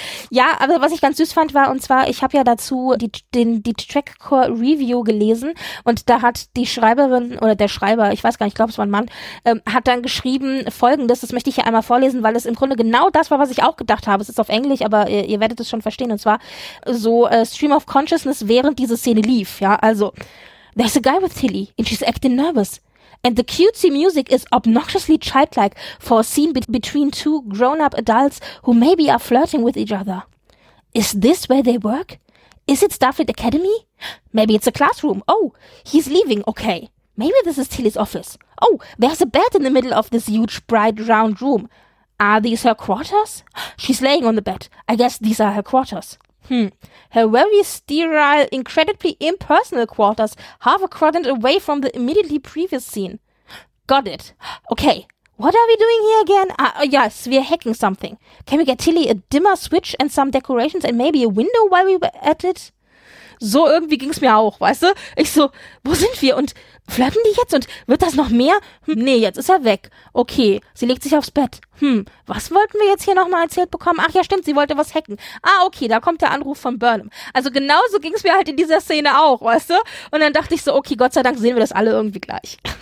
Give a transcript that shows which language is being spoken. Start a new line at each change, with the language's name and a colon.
German: Ja, aber was ich ganz süß fand war, und zwar, ich habe ja dazu die Trackcore Review gelesen, und da hat die Schreiberin oder der Schreiber, ich weiß gar nicht, ich glaube es war ein Mann, hat dann geschrieben Folgendes, das möchte ich hier einmal vorlesen, weil es im Grunde genau das war, was ich auch gedacht habe. Es ist auf Englisch, aber ihr werdet es schon verstehen, und zwar so Stream of Consciousness, während diese Szene lief. Ja, also,
English: there's a guy with Tilly and she's acting nervous. And the cutesy music is obnoxiously childlike for a scene between two grown-up adults who maybe are flirting with each other. Is this where they work? Is it Starfleet Academy? Maybe it's a classroom. Oh, he's leaving. Okay. Maybe this is Tilly's office. Oh, there's a bed in the middle of this huge, bright, round room. Are these her quarters? She's laying on the bed. I guess these are her quarters. Her very sterile, incredibly impersonal quarters, half a quadrant away from the immediately previous scene. Got it. Okay. What are we doing here again? Yes, we're hacking something. Can we get Tilly a dimmer switch and some decorations and maybe a window while we were at it?
German: So irgendwie ging's mir auch, weißt du? Ich so, wo sind wir? Und flirten die jetzt? Und wird das noch mehr? Nee, jetzt ist er weg. Okay, sie legt sich aufs Bett. Was wollten wir jetzt hier nochmal erzählt bekommen? Ach ja, stimmt, sie wollte was hacken. Ah, okay, da kommt der Anruf von Burnham. Also genauso ging's mir halt in dieser Szene auch, weißt du? Und dann dachte ich so, okay, Gott sei Dank sehen wir das alle irgendwie gleich.